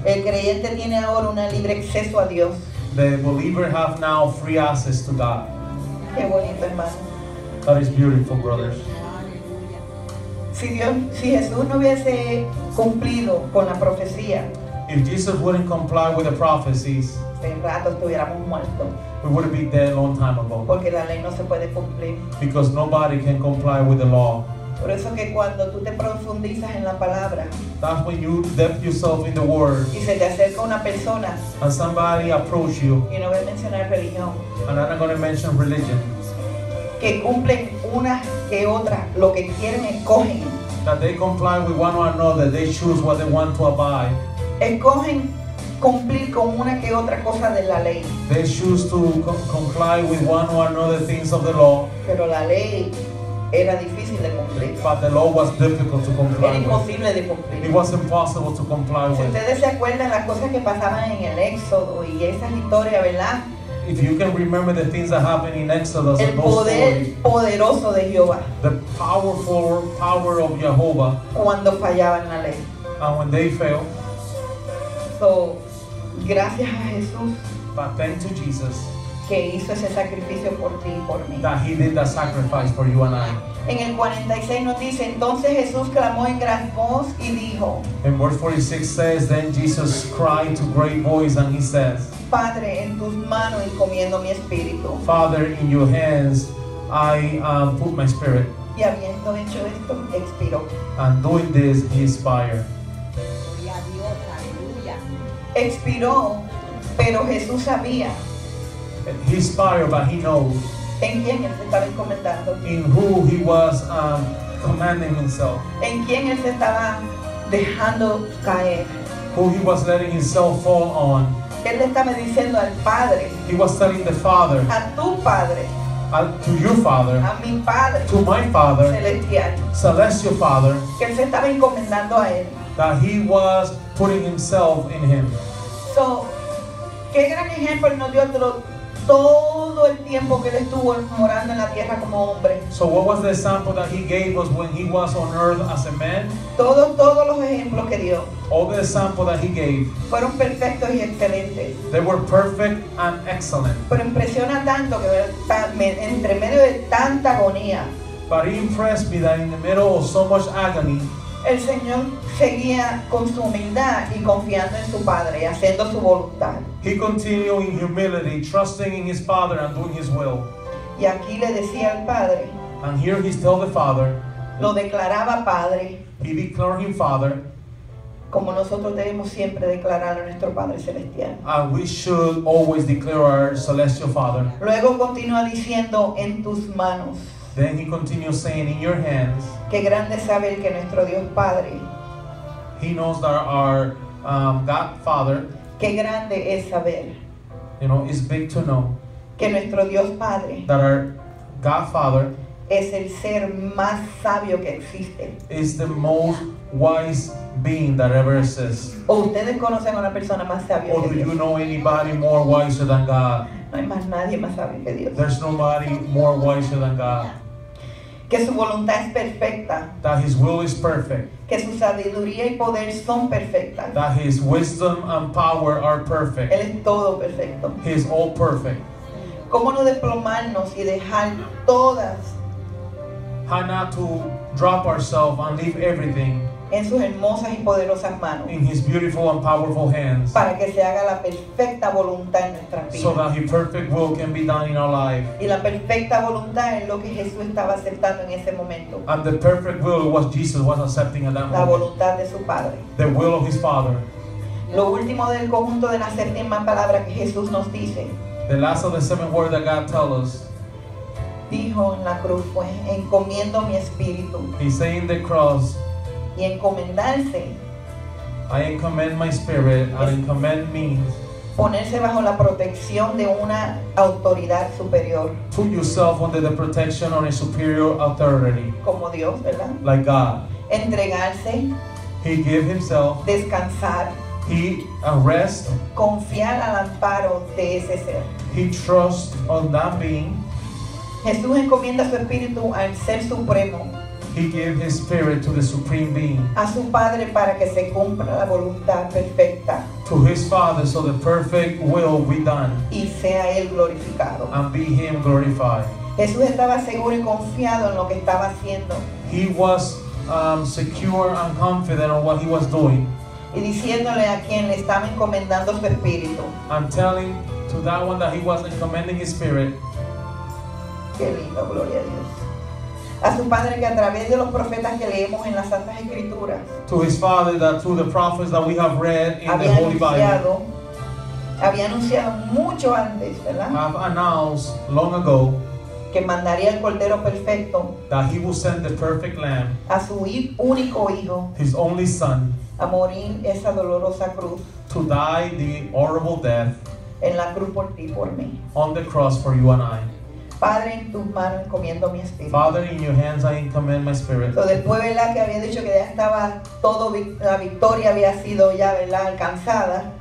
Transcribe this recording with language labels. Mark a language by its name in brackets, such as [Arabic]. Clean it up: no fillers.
[Spanish] el creyente tiene ahora un libre acceso a Dios. [English] The believer have now free access to God. [Spanish] Qué bonito, hermano. [English] That is beautiful, brothers. [Spanish] Si Jesús no hubiese cumplido con la profecía, [English] if Jesus wouldn't comply with the prophecies, [Spanish] en rato estuviéramos muertos. [English] We would have been dead a long time ago. [Spanish] Porque la ley no se puede cumplir. [English] Because nobody can comply with the law. [Spanish] Por eso que cuando tú te profundizas en la palabra, [English] that's when you depth yourself in the word, [Spanish] y se te acerca una persona, [English] and somebody approach you, [Spanish] y no voy a mencionar religión, [English] and I'm not going to mention religion, [Spanish] que cumplen una que otra lo que quieren, escogen, [English] that they comply with one or another, they choose what they want to abide, [Spanish] escogen cumplir con una que otra cosa de la ley, [English] they choose to comply with one or another things of the law, [Spanish] pero la ley era difícil de cumplir. [English] But the law was difficult to comply [Spanish] with. Era imposible de cumplir. [English] It was impossible to comply with. [Spanish] Si ustedes se acuerdan las cosas que pasaban en el Éxodo y esas historias, ¿verdad? [English] If you can remember the things that happened in Exodus, [Spanish] el poder poderoso de Jehová. [English] The powerful power of Jehovah. [Spanish] Cuando fallaban la ley. [English] And when they failed. [Spanish] So, gracias a Jesús. [English] But thank to Jesus. [Spanish] Que hizo ese sacrificio por ti y por mí. [English] That he did that sacrifice for you and I. [Spanish] En el 46 nos dice, entonces Jesús clamó en gran voz y dijo. [English] In verse 46 says, then Jesus cried to great voice and he says. [Spanish] Padre, en tus manos encomiendo mi espíritu. [English] Father, in your hands I put my spirit. [Spanish] Y habiendo hecho esto, expiró. [English] And doing this, he expired. [Spanish] Gloria a Dios, aleluya. Expiró, pero Jesús sabía. [English] He inspired, but he knows [Spanish] en quién él se estaba encomendando. [English] In who he was commanding himself. [Spanish] En quién él se estaba dejando caer. [English] Who he was letting himself fall on. [Spanish] Él le estaba diciendo al Padre. [English] He was telling the Father. [Spanish] A tu Padre. [English] To your Father. [Spanish] A mi Padre. [English] To my Father. [Spanish] Celestial. [English] Celestial Father. [Spanish] Que él se estaba encomendando a él. [English] That he was putting himself in him. [Spanish] So, qué gran ejemplo nos dio otro. Todo el tiempo que él estuvo morando en la tierra como hombre. [English] So what was the example that he gave us when he was on earth as a man? [Spanish] Todos los ejemplos que dio. [English] All the example that he gave. [Spanish] Fueron perfectos y excelentes. [English] They were perfect and excellent. [Spanish] Pero impresiona tanto que entre medio de tanta agonía. [English] But he impressed me that in the middle of so much agony. [Spanish] El Señor seguía con su humildad y confiando en su Padre y haciendo su voluntad. [English] He continued in humility, trusting in his Father and doing his will. [Spanish] Y aquí le decía al Padre. [English] And here he told the Father. [Spanish] Lo declaraba Padre. [English] He declared him Father. [Spanish] Como nosotros debemos siempre declarar a nuestro Padre Celestial. [English] And we should always declare our Celestial Father. [Spanish] Luego continúa diciendo, en tus manos. [English] Then he continues saying, in your hands. [Spanish] Qué grande sabe el que nuestro Dios Padre. [English] He knows that our God Father. [Spanish] Qué grande es saber. [English] You know, it's big to know. [Spanish] Que nuestro Dios Padre. [English] That our God Father. [Spanish] Es el ser más sabio que existe. [English] Is the most wise being that ever exists. [Spanish] O ustedes conocen a una persona más sabia. [English] Or do you know anybody more wiser than God? [Spanish] No hay más nadie más sabio que Dios. [English] There's nobody more wiser than God. [Spanish] Que su voluntad es perfecta. [English] That his will is perfect. [Spanish] Que su sabiduría y poder son perfectas. [English] That his wisdom and power are perfect. [Spanish] Él es todo perfecto. [English] He is all perfect. [Spanish] ¿Cómo no desplomarnos y dejar todas? [English] How not to drop ourselves and leave everything. [Spanish] En sus hermosas y poderosas manos. [English] In his beautiful and powerful hands. [Spanish] Para que se haga la perfecta voluntad en nuestras vidas. [English] So that his perfect will can be done in our life. [Spanish] Y la perfecta voluntad es lo que Jesús estaba aceptando en ese momento. [English] And the perfect will was Jesus was accepting at that moment. [Spanish] La voluntad de su Padre. [English] The will of his Father. [Spanish] Lo último del conjunto de las séptima palabra que Jesús nos dice. [English] The last of the seven words that God tells us. [Spanish] Dijo en la cruz, pues, encomiendo mi espíritu. [English] He said in the cross. [Spanish] Y encomendarse. [English] I encommend my spirit. I encommend means. [Spanish] Ponerse bajo la protección de una autoridad superior. [English] Put yourself under the protection of a superior authority. [Spanish] Como Dios, ¿verdad? [English] Like God. [Spanish] Entregarse. [English] He gave himself. [Spanish] Descansar. [English] He rest. [Spanish] Confiar al amparo de ese ser. [English] He trusts on that being. [Spanish] Jesús encomienda su espíritu al ser supremo. [English] He gave his spirit to the supreme being. [Spanish] A su Padre para que se cumpla la voluntad perfecta. [English] To his Father so the perfect will be done. [Spanish] Y sea él glorificado. [English] And be him glorified. [Spanish] Jesús estaba seguro y confiado en lo que estaba haciendo. [English] He was secure and confident on what he was doing. [Spanish] Y diciéndole a quien le estaba encomendando su espíritu. [English] And telling to that one that he was encomending his spirit. [Spanish] Qué lindo, gloria a Dios. a su padre que a través de los profetas que leemos en las Santas Escrituras, [English] to his father that through the prophets that we have read in the Holy Bible, [Spanish] había anunciado mucho antes, ¿verdad? [English] Have announced long ago [Spanish] que mandaría el cordero perfecto, [English] that he will send the perfect lamb, [Spanish] a su único hijo, [English] his only son, [Spanish] a morir esa dolorosa cruz, [English] to die the horrible death, [Spanish] en la cruz por ti, por mí, [English] on the cross for you and I. [Spanish] Padre, en tus manos encomiendo mi espíritu. [English] Father, in your hands I commend my spirit. [Spanish] So, después, ¿verdad?, que había dicho que ya estaba todo, la victoria había sido ya, ¿verdad?, alcanzada.